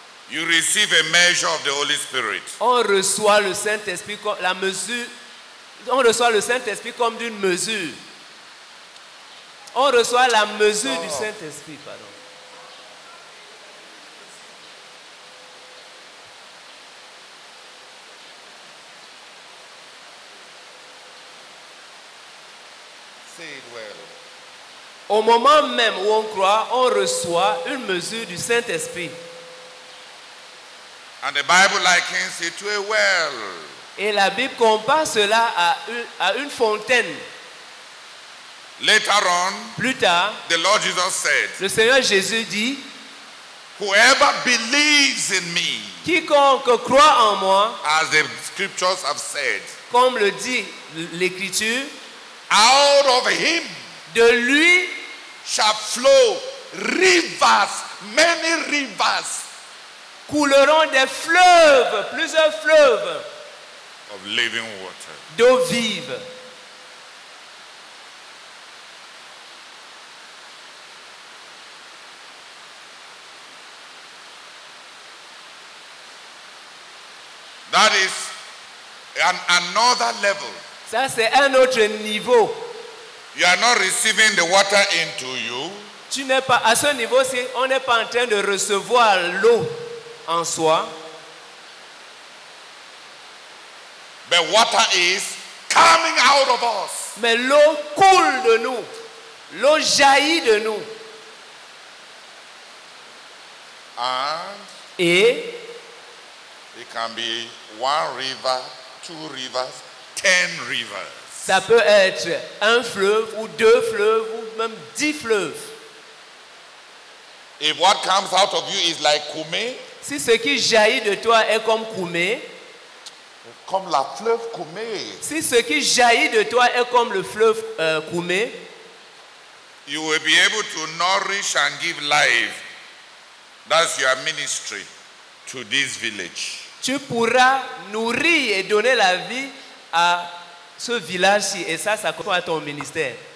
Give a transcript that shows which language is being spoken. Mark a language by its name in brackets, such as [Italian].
[English] you receive a measure of the Holy Spirit. [French] On reçoit le Saint-Esprit comme la mesure. On reçoit le Saint-Esprit comme d'une mesure. On reçoit la mesure du Saint-Esprit, pardon. [English] Say it well. [French] Au moment même où on croit, on reçoit une mesure du Saint-Esprit. [English] And the Bible likens it to a well. [French] Et la Bible compare cela à une fontaine. [English] Later on, [French] plus tard, [English] the Lord Jesus said, [French] le Seigneur Jésus dit, [English] whoever believes in me, [French] quiconque croit en moi, [English] as the scriptures have said, [French] comme le dit l'Écriture, [English] out of him, [French] de lui, [English] shall flow rivers, many rivers, [French] couleront des fleuves, plusieurs fleuves, [English] of living water, [French] d'eau vive. [English] That is another level. [French] Ça, c'est un autre niveau. [English] You are not receiving the water into you. [French] Tu n'es pas à ce niveau-ci, on n'est pas en train de recevoir l'eau en soi. [English] But water is coming out of us. [French] Mais l'eau coule de nous. L'eau jaillit de nous. [English] And [French] et [English] it can be one river, two rivers, ten rivers. [French] Ça peut être un fleuve ou deux fleuves ou même 10 fleuves. [English] If what comes out of you is like kumé, [French] si ce qui jaillit de toi est comme kumé, comme la fleuve kumé. Si ce qui jaillit de toi est comme le fleuve kumé, [English] you will be able to nourish and give life. That's your ministry to this village. [French] Tu pourras nourrir et donner la vie à ce village-ci, et ça, ça correspond à ton ministère.